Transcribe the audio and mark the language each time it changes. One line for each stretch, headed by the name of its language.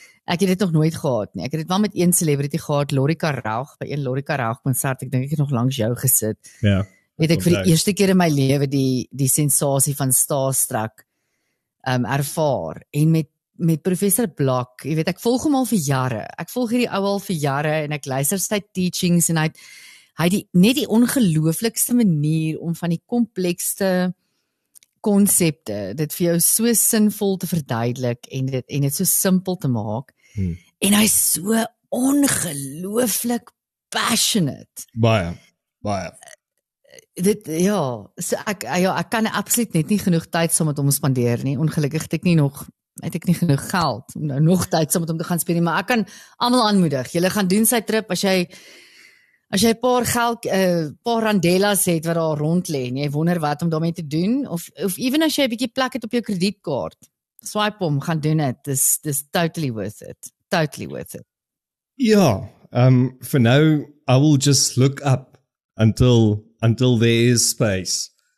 Afrikaans: Ek het dit nog nooit gehad nie. Ek het dit wel met een celebrity gehad, Lorika Raug, by een Lorika Raug concert, ek denk ek het nog langs jou gesit. Ja. Het ek vir die eerste keer in my lewe die sensasie van starstruck ervaar. En met professor Block, jy weet, ek volg hom al vir jare. Ek volg hierdie ou al vir jare en ek luister sy teachings en hy die net die ongelooflikste manier om van die komplekste konsepte dit vir jou so sinvol te verduidelik en dit so simpel te maak. En hy is so ongelooflik passionate. Baie. Dit, ja, so ek kan absoluut net nie genoeg tyd saam met hom spandeer nie. Ongelukkig het ek nie genoeg geld om nou nog tyd saam met hom te gaan spandeer, maar ek kan almal aanmoedig. Julle gaan doen sy trip as jy 'n paar randellas het wat daar rond lê, jy wonder wat om daarmee te doen, of even as jy 'n bietjie plek het op jou kredietkaart, swipe hom, gaan doen dit.
English: Dis totally worth it. Totally worth it. Ja, for now, I will just look up until there is space.